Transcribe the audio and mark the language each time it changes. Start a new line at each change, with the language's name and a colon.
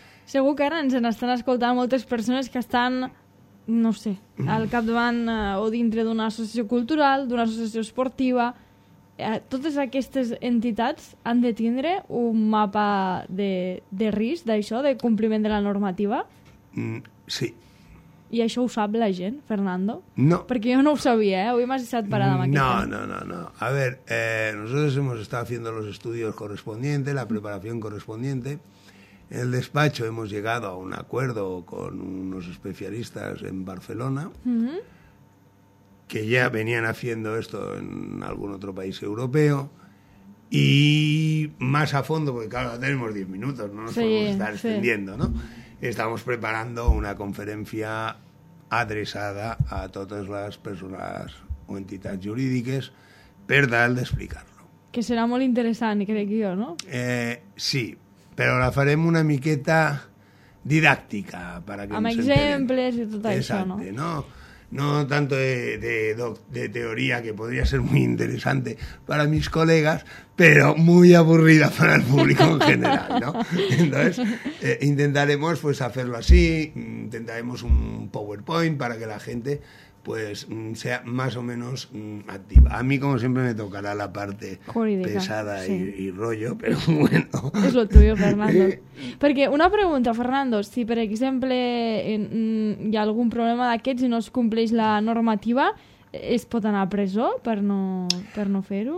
Catalan: Segur que ara ens estan escoltant moltes persones que estan, no sé, al capdavant o dintre d'una associació cultural, d'una associació esportiva. Totes aquestes entitats han de tindre un mapa de risc d'això, de compliment de la normativa? Sí. I això ho sap la gent, Fernando? No. Perquè jo no ho sabia, eh? Avui m'has deixat parada amb aquesta. No.
Spanish: A ver, nosotros hemos estado haciendo los estudios correspondientes, la preparación correspondiente. En el despacho hemos llegado a un acuerdo con unos especialistas en Barcelona. Que ya venían haciendo esto en algún otro país europeo, y más a fondo, porque claro, tenemos 10 minutos, no nos podemos estar extendiendo, ¿no? estamos preparando
Catalan: una conferencia adreçada a totes les persones o entitats jurídiques per tal d'explicar-lo. Que serà molt interessant, crec jo, no? Sí, però la farem una miqueta didàctica.
Spanish: Para que
Catalan: amb exemples i tot això, no? Exacte, no?
Spanish: No tanto de teoría, que podría ser muy interesante para mis colegas, pero muy aburrida para el público en general, ¿no? Entonces, intentaremos pues hacerlo así, intentaremos un PowerPoint para que la gente pues sea más o menos activa. A mí, como siempre, me tocará la parte jurídica, pesada, sí. y rollo, pero bueno. Es lo tuyo, Fernando.
Catalan: Perquè una pregunta, Fernando, si per exemple hi ha algun problema d'aquests i no es compleix la normativa, es pot anar a presó per no fer-ho?